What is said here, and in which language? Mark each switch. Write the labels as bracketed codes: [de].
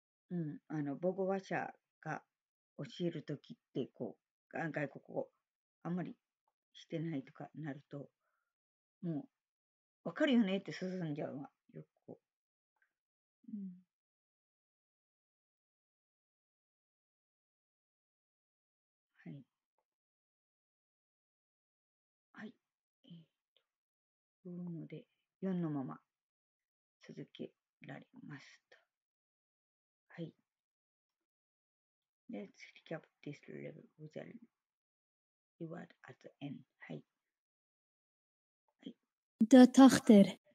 [ja] うん、あの母語話者が教えるときってこう案外ここあんまりしてないとかなるともう分かるよねって進んじゃうわよくこう、うん、はいはい、ので4のまま続けられますと。はい。 [en] Let's recap this level with a reward at the end. [ja] はい。 [de] はい、The Tochter.